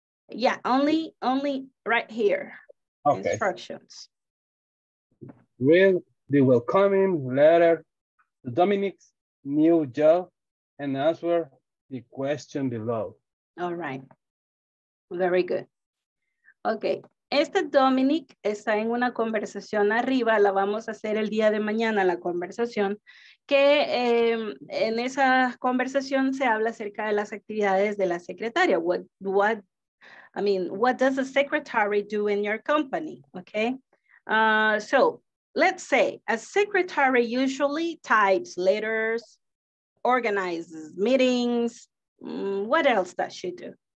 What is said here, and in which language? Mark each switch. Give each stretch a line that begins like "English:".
English: Yeah, only right here. Okay. Instructions. Read the welcoming letter to Dominic's new job and answer the question below. All right. Very good.
Spanish: Okay, este Dominic está en una conversación arriba, la vamos a hacer el día de mañana, la conversación, que en esa conversación se habla acerca de las actividades de la secretaria.
English: What does the secretary do in your company? Okay, so let's say a secretary usually types letters, organizes meetings. What else does she do?